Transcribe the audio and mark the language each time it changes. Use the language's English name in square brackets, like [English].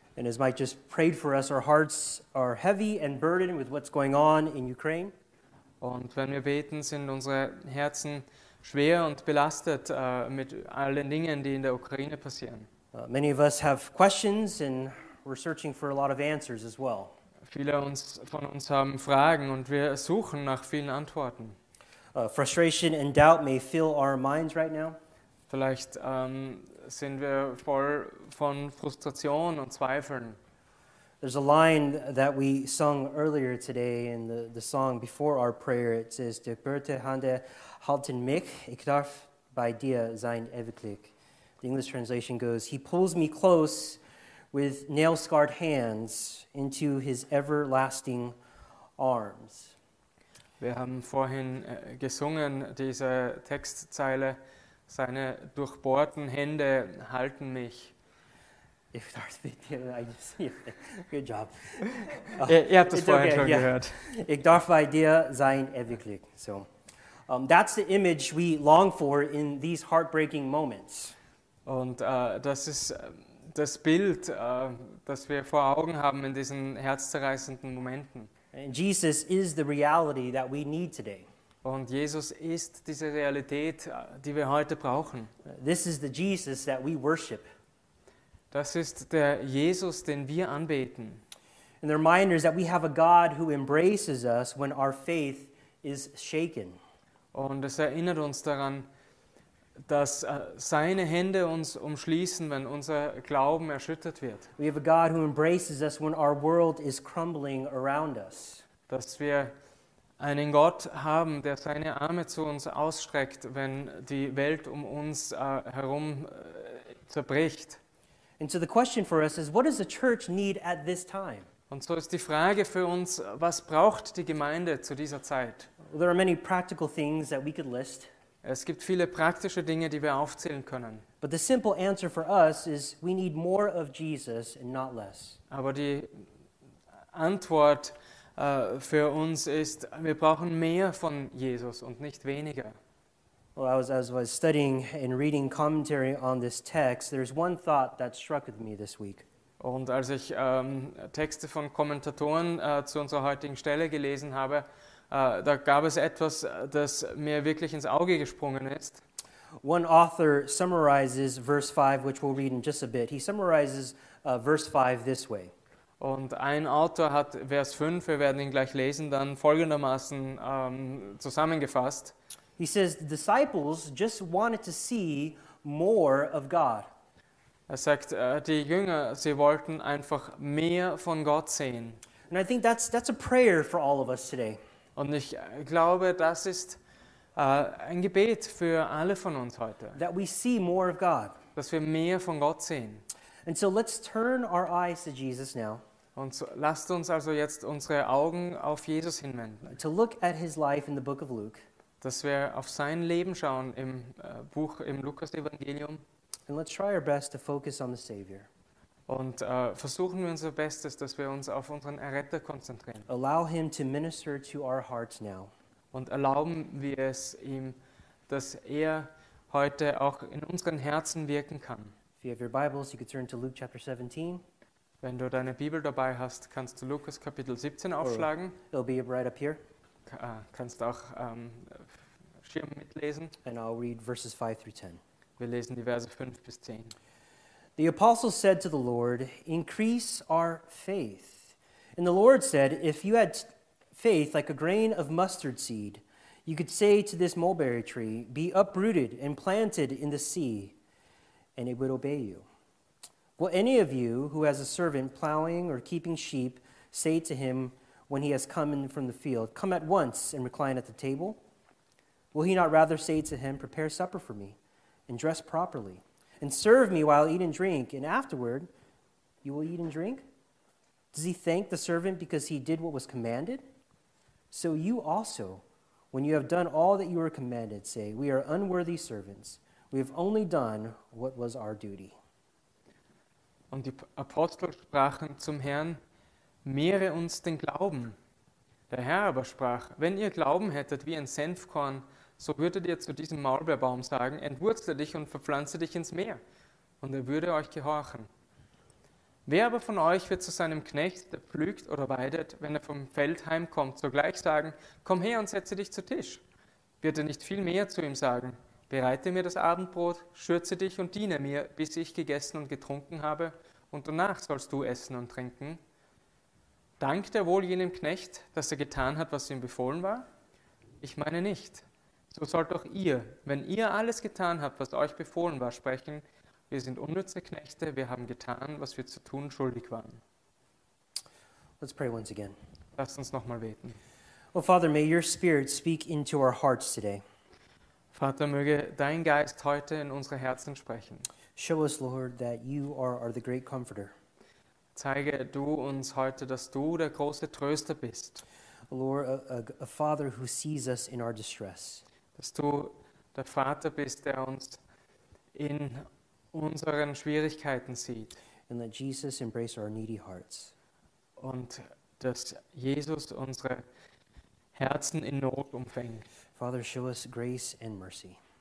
[English] And as Mike just prayed for us, our hearts are heavy and burdened with what's going on in Ukraine. [German] Und wenn wir beten, sind unsere Herzen schwer und belastet mit allen Dingen, die in der Ukraine passieren. [English] Many of us have questions and we're searching for a lot of answers as well. [German] Viele von uns haben Fragen und wir suchen nach vielen Antworten. [English] Frustration and doubt may fill our minds right now. [German] Vielleicht sind wir voll von Frustration und Zweifeln. [English] There's a line that we sung earlier today in the song before our prayer. It says, [German] "Der Berte Hande halten mich, ich darf bei dir sein ewiglich." [English] The English translation goes, "He pulls me close with nail-scarred hands into his everlasting arms." [German] Wir haben vorhin gesungen, diese Textzeile, seine durchbohrten Hände halten mich. [English] If that's the deal, I just see it. Good job. [German] Ihr habt das vorhin schon gehört. Ich darf bei dir sein ewiglich. [English] So, that's the image we long for in these heartbreaking moments. [German] Und das ist das Bild, das wir vor Augen haben in diesen herzzerreißenden Momenten. [English] And Jesus is the reality that we need today. [German] Und Jesus ist diese Realität, die wir heute brauchen. [English] This is the Jesus that we worship. [German] Das ist der Jesus, den wir anbeten. [English] And the reminder is that we have a God who embraces us when our faith is shaken. [German] Und es erinnert uns daran, dass seine Hände uns umschließen, wenn unser Glauben erschüttert wird. [English] We have a God who embraces us when our world is crumbling around us. [German] Dass wir einen Gott haben, der seine Arme zu uns ausstreckt, wenn die Welt um uns herum zerbricht. [English] And so the question for us is, what does the church need at this time? [German] Und so ist die Frage für uns, was braucht die Gemeinde zu dieser Zeit? [English] Well, there are many practical things that we could list. [German] Es gibt viele praktische Dinge, die wir aufzählen können. [English] But the simple answer for us is, we need more of Jesus and not less. [German] Aber die Antwort für uns ist, wir brauchen mehr von Jesus und nicht weniger. [English] Well, as I was studying and reading commentary on this text, there's one thought that struck with me this week. [German] Und als ich Texte von Kommentatoren zu unserer heutigen Stelle gelesen habe, da gab es etwas, das mir wirklich ins Auge gesprungen ist. [English] One author summarizes verse 5, which we'll read in just a bit. He summarizes verse 5 this way. [German] Und ein Autor hat Vers 5, wir werden ihn gleich lesen, dann folgendermaßen zusammengefasst. [English] He says, the disciples just wanted to see more of God. [German] Er sagt, die Jünger, sie wollten einfach mehr von Gott sehen. [English] And I think that's a prayer for all of us today. [German] Und ich glaube, das ist ein Gebet für alle von uns heute. [English] That we see more of God. [German] Dass wir mehr von Gott sehen. [English] And so let's turn our eyes to Jesus now. [German] Und so, lasst uns also jetzt unsere Augen auf Jesus hinwenden. [English] To look at his life in the book of Luke. [German] Dass wir auf sein Leben schauen im Buch, im Lukas-Evangelium. [English] And let's try our best to focus on the Savior. [German] Und versuchen wir unser Bestes, dass wir uns auf unseren Erretter konzentrieren. [English] Allow him to minister to our hearts now. [German] Und erlauben wir es ihm, dass er heute auch in unseren Herzen wirken kann. [English] If you have your Bibles, you can turn to Luke chapter 17. [German] Wenn du deine Bibel dabei hast, kannst du Lukas Kapitel 17 aufschlagen. [English] Or it'll be right up here. [German] Kannst auch Schirm mitlesen. [English] And I'll read verses 5 through 10. [German] Wir lesen die Verse 5 bis 10. [English] The apostles said to the Lord, increase our faith. And the Lord said, if you had faith like a grain of mustard seed, you could say to this mulberry tree, be uprooted and planted in the sea, and it would obey you. Will any of you who has a servant plowing or keeping sheep say to him when he has come in from the field, come at once and recline at the table? Will he not rather say to him, prepare supper for me and dress properly? And serve me while I eat and drink, and afterward, you will eat and drink? Does he thank the servant because he did what was commanded? So you also, When you have done all that you were commanded, say, we are unworthy servants. We have only done what was our duty. [German] Und die Apostel sprachen zum Herrn, mehre uns den Glauben. Der Herr aber sprach, wenn ihr Glauben hättet wie ein Senfkorn, so würdet ihr zu diesem Maulbeerbaum sagen, entwurzle dich und verpflanze dich ins Meer, und er würde euch gehorchen. Wer aber von euch wird zu seinem Knecht, der pflügt oder weidet, wenn er vom Feld heimkommt, sogleich sagen, komm her und setze dich zu Tisch? Wird er nicht viel mehr zu ihm sagen, bereite mir das Abendbrot, schürze dich und diene mir, bis ich gegessen und getrunken habe, und danach sollst du essen und trinken? Dankt er wohl jenem Knecht, dass er getan hat, was ihm befohlen war? Ich meine nicht. So sollt auch ihr, wenn ihr alles getan habt, was euch befohlen war, sprechen, wir sind unnütze Knechte, wir haben getan, was wir zu tun schuldig waren. [English] Let's pray once again. [German] Lasst uns nochmal beten. [English] Well, Father, may your spirit speak into our hearts today. [German] Vater, möge dein Geist heute in unsere Herzen sprechen. [English] Show us, Lord, that you are the great comforter. [German] Zeige du uns heute, dass du der große Tröster bist. [English] Lord, a father who sees us in our distress. [German] Dass du der Vater bist, der uns in unseren Schwierigkeiten sieht. [English] And let Jesus embrace our needy hearts. [German] Und dass Jesus unsere Herzen in Not umfängt. [English] Father, show us grace and mercy.